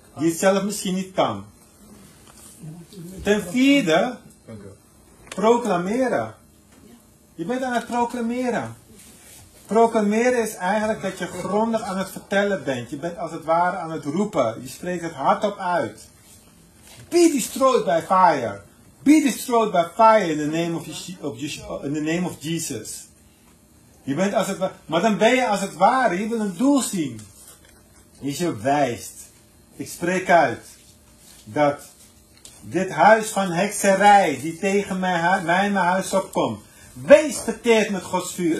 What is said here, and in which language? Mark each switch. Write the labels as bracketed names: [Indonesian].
[Dutch] Die het zelf misschien niet kan. Ten vierde, proclameren. Je bent aan het proclameren. Proclameren is eigenlijk dat je grondig aan het vertellen bent. Je bent als het ware aan het roepen. Je spreekt het hardop uit. [English] Be destroyed by fire. Be destroyed by fire in the name of, in the name of Jesus. [Dutch] Je bent als het ware, maar dan ben je als het ware. Je wil een doel zien. Dus je wijst. Ik spreek uit dat dit huis van hekserij die tegen mij in mijn huis opkomt, wees verteerd met Gods vuur.